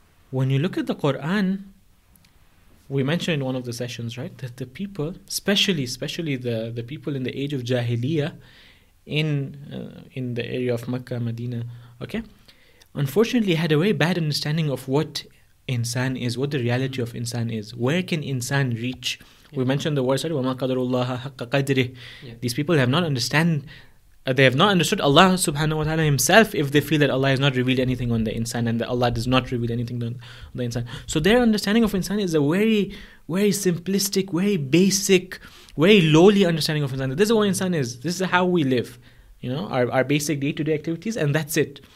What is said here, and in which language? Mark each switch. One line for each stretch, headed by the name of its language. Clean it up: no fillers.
English: When you look at the Quran, we mentioned in one of the sessions, right, that the people, especially the people in the age of Jahiliyyah, in the area of Makkah, Medina, okay, unfortunately had a very bad understanding of what insan is, what the reality of insan is, where can insan reach. Yeah. We mentioned the words,
Arabic: وَمَا قَدَرُ اللَّهَ حَقَّ قَدْرِهِ.
English: Yeah. These people have not understand, they have not understood Allah subhanahu wa ta'ala himself if they feel that Allah has not revealed anything on the insan and that Allah does not reveal anything on the insan. So their understanding of insan is a very, very simplistic, very basic, very lowly understanding of insan. This is what insan is, this is how we live, you know, our basic day-to-day activities, and that's it.